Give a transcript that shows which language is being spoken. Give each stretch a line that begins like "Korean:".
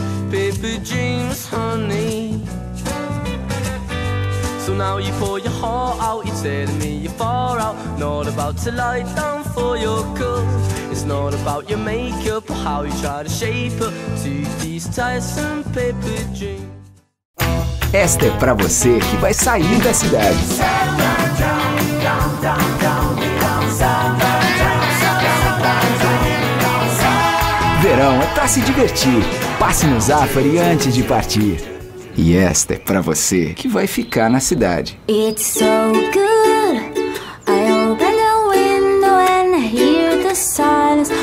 English: Paper dreams, honey. So now you pour your heart out, you're telling me you're far out. Not about to lie down for your cause. It's not about your makeup or how you try to shape up to these tiresome paper dreams.
Portuguese: Esta é pra você que vai sair da cidade. Verão é pra se divertir. Passe no Zafari antes de partir. E esta é pra você que vai ficar na cidade.
English: It's so good. I open the window and hear the silence.